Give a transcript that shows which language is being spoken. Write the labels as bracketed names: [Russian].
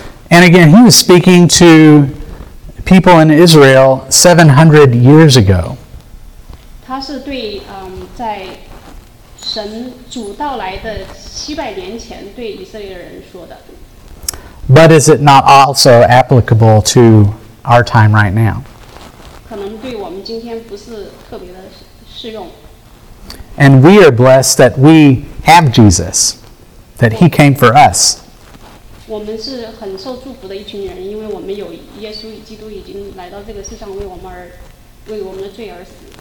[English] And again, he was speaking to people in Israel 700 years ago. [Chinese] 他是对在。神主到来的700年前对以色列人说的。 [English] But is it not also applicable to our time right now? [Chinese] 可能对我们今天不是特别的适用。 [English] And we are blessed that we have Jesus, that he came for us. [Chinese] 我们是很受祝福的一群人，因为我们有耶稣基督已经来到这个世上为我们的罪而死。